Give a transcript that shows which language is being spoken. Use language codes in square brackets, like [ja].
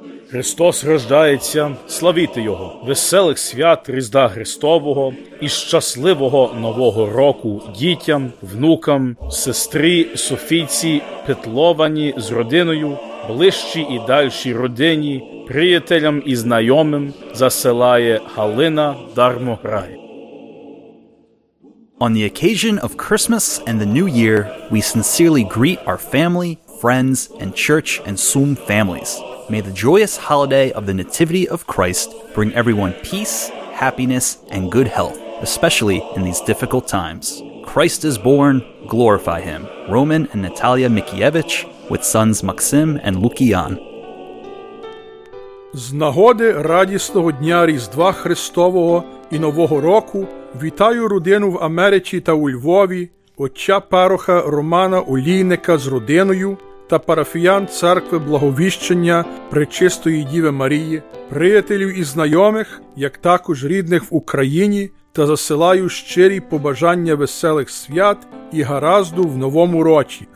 [uk] Христос рождається, славіте Його! Веселих свят Різдва Христового і щасливого Нового Року дітям, внукам, сестрі Софійці Петловані з родиною, ближчій і дальшій родині, приятелям і знайомим засилає Галина Дармограй. [en] On the occasion of Christmas and the New Year, we sincerely greet our family, friends, and church and Sum families. May the joyous holiday of the Nativity of Christ bring everyone peace, happiness, and good health, especially in these difficult times. Christ is born, glorify him. Roman and Natalia Mikievich with sons Maxim and Lukian. [uk] З нагоди радісного дня Різдва Христового і Нового року вітаю родину в Америці та у Львові, отця пароха Романа Олійника з родиною та парафіян церкви Благовіщення Пречистої Діви Марії, приятелів і знайомих, як також рідних в Україні, та засилаю щирі побажання веселих свят і гаразду в новому році.